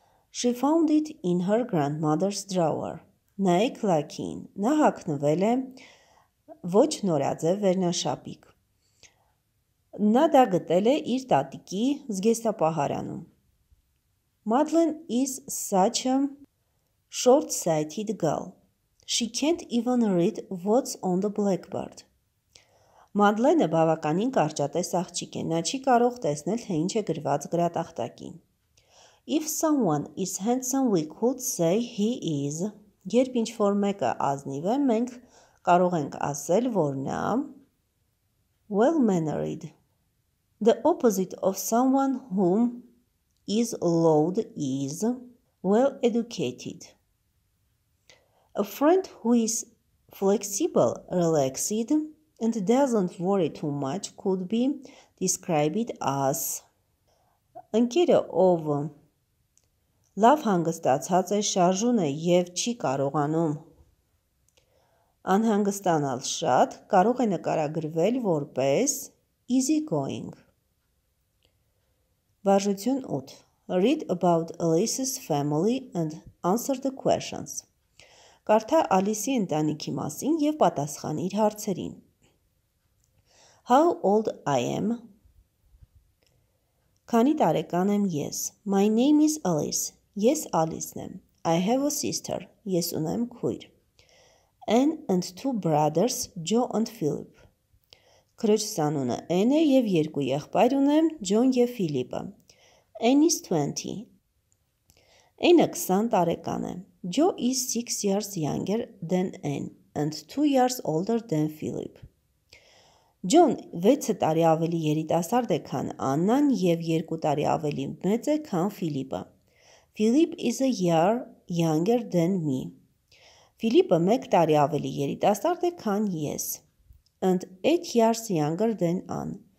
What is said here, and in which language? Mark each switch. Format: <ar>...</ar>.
<en>She found it in her grandmother's drawer.</en> <hy>Նայեք Lucky-ին, նա հագնվել է ոչ նորաձև վերնաշապիկ։ Նա դա գտել է իր տատիկի զգեստապահարանում։</hy> <en>Madeline is such a short-sighted girl. She can't even read what's on the blackboard.</en> <hy>Madlene բավականին կարճատես աղջիկ է, նա չի կարող տեսնել, թե ինչ է գրված գրատախտակին.</hy> <en>If someone is handsome, we could say he is.</en> <hy>Երբ ինչ-որ մեկը ազնիվ է, մենք կարող ենք ասել, որ նա</hy> <en>well-mannered. The opposite of someone whom is loud is well-educated. A friend who is flexible, relaxed, and doesn't worry too much could be described as</en> <hy>ընկերը, ով լավ հանգստացած է, շարժուն է և չի կարողանում անհանգստանալ շատ, կարող է նկարագրվել որպես</hy> <en>easygoing.</en> <hy>Վարժություն 8.</hy> <en>Read about Alice's family and answer the questions.</en> <hy>Կարդա Ալիսի ընտանիքի մասին և պատասխան իր հարցերին.</hy> <en>How old I am?</en> <hy>Քանի տարեկան եմ ես?</hy> <en>My name is Alice.</en> <hy>Ես Ալիսն եմ.</hy> <en>I have a sister.</en> <hy>Ես ունեմ քույր.</hy> <en>Anne and two brothers, Joe and Philip.</en> <hy>Քրոջսանունը Anne է և երկու եղբայր ունեմ, John և Philip-ը.</hy> <en>Anne is 20.</en> <hy>Anne-ը 20 տարեկան է.</hy> <en>Joe is 6 years younger than Anne and 2 years older than Philip.</en> <hy>John 6 տարի ավելի երիտասարդ է, քան Աննան և 2 տարի ավելի մեծ է, քան Ֆիլիպը.</hy> <en>Philip is a year younger than me.</en> <hy>Ֆիլիպը 1 տարի ավելի երիտասարդ է, քան ես.</hy> <en>And 8 years younger than Anne.</en>